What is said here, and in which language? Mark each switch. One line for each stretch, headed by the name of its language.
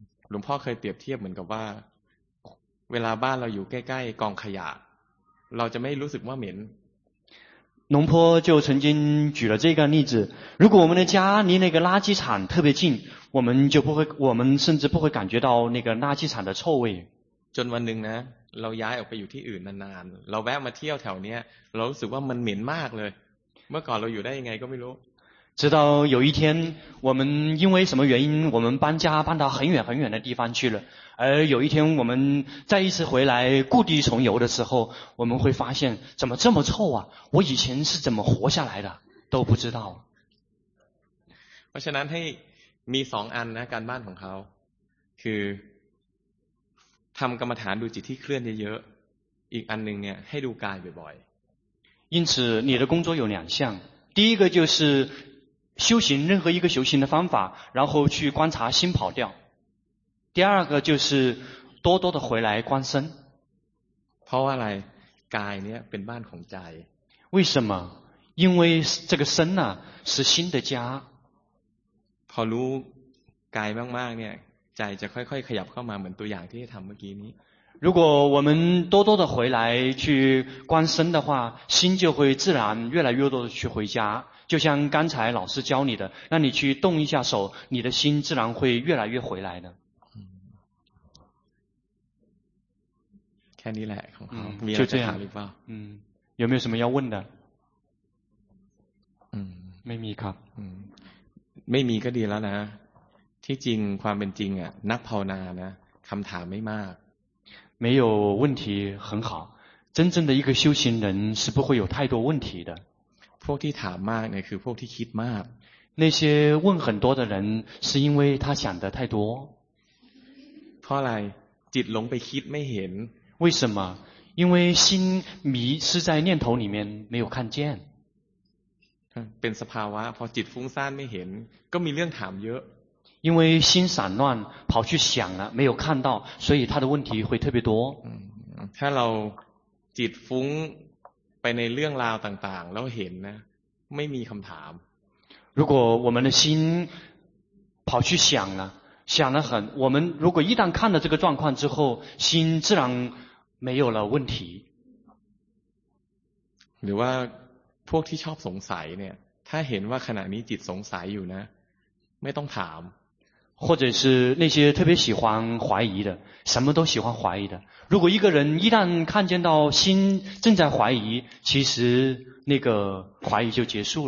Thai: หลวงพ่อเคยเปรียบเทียบเหมือนกับว่าเวลาบ้านเราอยู่ใกล้ๆกองขยะเราจะไม่รู้สึกว่าเหม็น
Chinese: 农坡就曾经举了这个例子如果我们的家离那个垃圾场特别近我们甚至不会感觉到那个垃圾场的臭味
Thai: จนวันหนึ่งนะเราย้ายออกไปอยู่ที่อื่นนานๆเราแวะมาเที่ยวแถวเนี้ยเรารู้สึกว่ามันเหม็นมากเลยเมื่อก่อนเราอยู่ได้ยังไงก็ไม่รู้
Chinese: 直到有一天我们因为什么原因我们搬家搬到很远很远的地方去了而有一天我们再一次回来故地重游的时候我们会发现怎么这么臭啊我以前是怎么活下来的都不知道
Thai: เพราะฉะนั้นให้มีสองอันนะการบ้านของเขาคือทำกรรมฐานดูจิตที่เคลื่อนเยอะๆอีกอันหนึ่งเนี่ยให้ดูกายบ่อย
Chinese: ๆ因此你的工作有两项第一个就是修行任何一个修行的方法然后去观察心跑掉第二个就是多多的回来观身
Thai: เพราะว่าอะไรกายเนี่ยเป็นบ้านของใจ
Chinese: 为什么因为这个身啊是心的家
Thai: พอรู้กายมากๆเนี่ยใจจะค่อยๆขยับเข้ามาเหมือนตัวอย่างที่ทำเมื่อกี้นี้
Chinese: 如果我们多多的回来去观身的话，心就会自然越来越多的去回家。就像刚才老师教你的，让你去动一下手，你的心自然会越来越回来的。看你来，就这样。有没有什么要问的？没米卡。没米个地了呢。
Thai: ที่จริงความเป็นจริงอ่ะนักภาวนานะคำถามไม่มาก
Chinese: 没有问题很好真正的一个修行人是不会有太多问题的
Thai: พวกที่ถามมากเนี่ยคือพวกที่คิดมาก
Chinese: 那些问很多的人是因为他想的太多
Thai: เพราะอะไรจิตหลงไปคิดไม่เห็น
Chinese: 为什么因为心迷失在念头里面没有看见
Thai: เป็นสภาวะพอจิตฟุ้งซ่านไม่เห็นก็มีเรื่องถามเยอะ
Chinese: 因为心散乱跑去想了没有看到所以他的问题会特别多
Thai: ถ้าเราจิตฟุ้งไปในเรื่องราวต่างๆแล้วเห็นนะไม่มีคำถาม
Chinese: 如果我们的心跑去想了想得很我们如果一旦看了这个状况之后心自然没有了问题
Thai: หรือว่าพวกที่ชอบสงสัยเนี่ยถ้าเห็นว่าขณะนี้จิตสงสัยอยู่นะไม่ต้องถาม
Chinese: 或者是那些特别喜欢怀疑的什么都喜欢怀疑的如果一个人一旦看见到心正在怀疑其实那个怀疑就结束